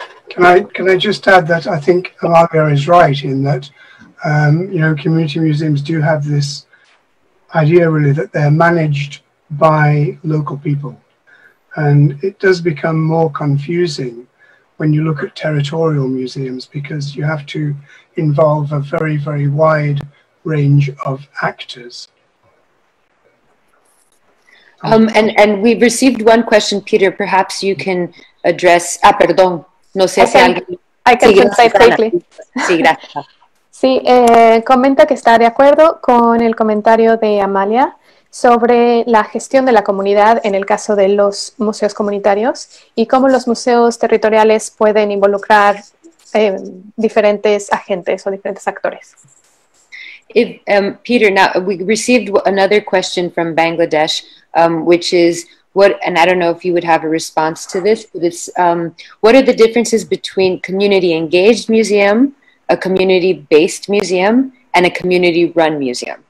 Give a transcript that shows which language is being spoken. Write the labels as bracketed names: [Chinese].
[English] Can I just add that I think Amalia is right in that community museums do have this idea really that they're managed by local people, and it does become more confusing when you look at territorial museums because you have to involve a very, very wide range of actors. And we've received one question, Peter, perhaps you can address. [Spanish] Ah, perdón, no sé si alguien. [English] I can say quickly. [Spanish] Sí, gracias. Sí, comenta que está de acuerdo con el comentario de Amalia sobre la gestión de la comunidad en el caso de los museos comunitarios y cómo los museos territoriales pueden involucrar diferentes agentes o diferentes actores. [English] Peter, now we received another question from Bangladesh, which is what, and I don't know if you would have a response to this, but it's what are the differences between community engaged museum, a community-based museum, and a community-run museum?